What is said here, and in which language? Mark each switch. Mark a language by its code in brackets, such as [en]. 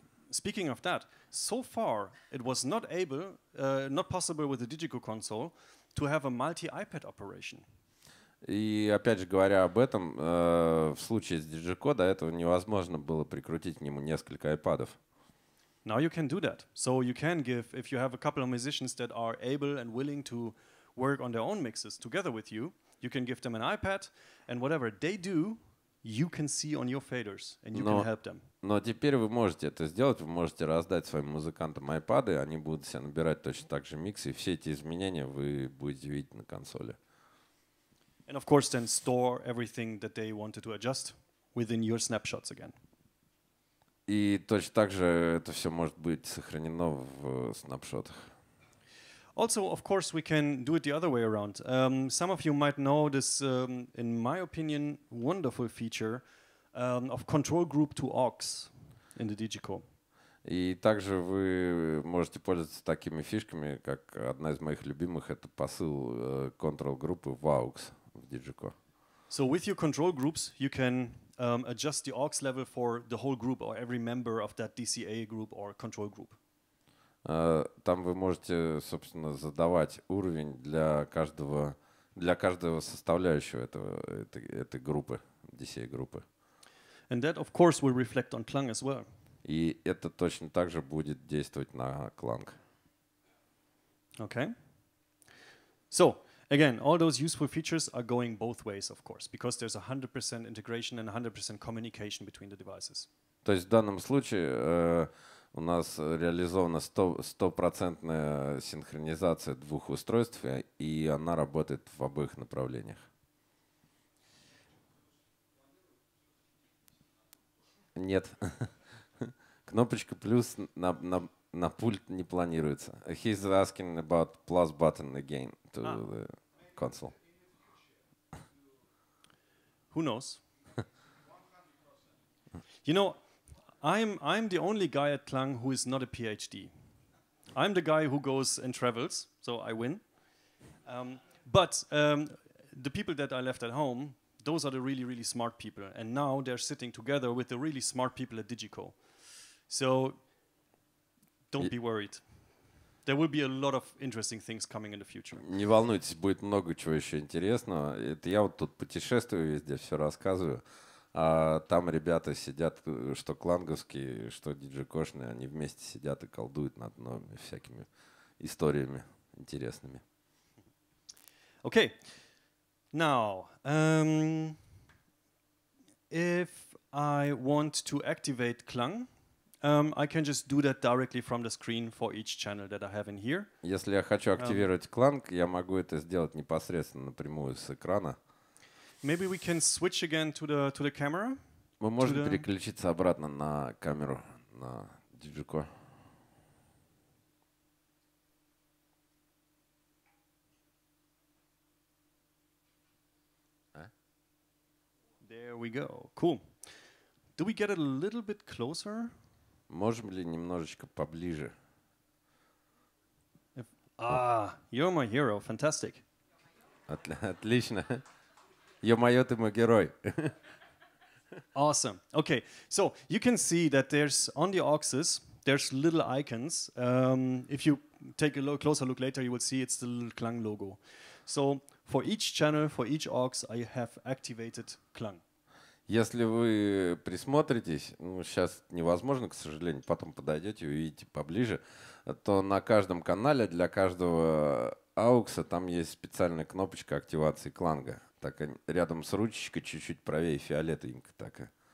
[en] speaking of that, so far it was not possible with the DigiCo console to have a multi-iPad operation. [ru] И опять же говоря об этом, в случае с DigiCo до этого невозможно было прикрутить к нему несколько iPad-ов. [en] Now you can do that. So you can give, if you have a couple of musicians that are able and willing to work on their own mixes together with you, you can give them an iPad and whatever they do, you can see on your faders, and you can help them. [ru] Но теперь вы можете это сделать, вы можете раздать своим музыкантам iPad'ы, они будут себе набирать точно так же миксы, и все эти изменения вы будете видеть на консоли. [en] And of course then store everything that they wanted to adjust within your snapshots again. [ru] И точно так же это все может быть сохранено в снапшотах. [en] Also, of course, we can do it the other way around. Some of you might know this, in my opinion, wonderful feature of control group to aux in the DigiCo. [ru] И также вы можете пользоваться такими фишками, как одна из моих любимых, это посыл control группы в AUX в Digico. [en] So with your control groups, you can adjust the AUX level for the whole group or every member of that DCA group or control group. [ru] Там вы можете, собственно, задавать уровень для каждого составляющего этого, этой группы, DCA группы. [en] And that, of course, will reflect on KLANG as well. [ru] И это точно так же будет действовать на KLANG. [en] Okay. So, again, all those useful features are going both ways, of course, because there's 100% integration and 100% communication between the devices. [ru] То есть в данном случае у нас реализована 100% синхронизация двух устройств, и она работает в обоих направлениях. Нет. Кнопочка плюс на пульт не планируется. [en] He's asking about plus button again to the console. Who knows? You know, I'm the only guy at KLANG who is not a PhD. I'm the guy who goes and travels, so I win. But the people that I left at home, those are the really, really smart people. And now they're sitting together with the really smart people at Digico. So don't be worried. There will be a lot of interesting things coming in the future. [ru] Не волнуйтесь, будет много чего еще интересного. Это я вот тут путешествую везде, все рассказываю. А там ребята сидят, что кланговские, что диджикошные, они вместе сидят и колдуют над новыми всякими историями интересными. [en] Okay. Now, if I want to activate KLANG, I can just do that directly from the screen for each channel that I have in here. [ru] Если я хочу активировать KLANG, я могу это сделать непосредственно напрямую с экрана. [en] Maybe we can switch again to the camera. [ru] Мы можем переключиться обратно на камеру, на Digico. [en] There we go. Cool. Do we get it a little bit closer? [ru] Можем ли немножечко поближе? [en] You're my hero. Fantastic. [ru] Отлично. Ё-моё, ты мой герой. [en] Awesome. Okay. So you can see that there's on the AUXes, there's little icons. If you take a closer look later, you will see it's the little KLANG logo. So for each channel, for each AUX, I have activated KLANG. [ru] Если вы присмотритесь, ну, сейчас невозможно, к сожалению, потом подойдете и увидите поближе, то на каждом канале для каждого аукса там есть специальная кнопочка активации кланга. Так рядом с ручечкой, чуть-чуть правее, фиолетовенько так.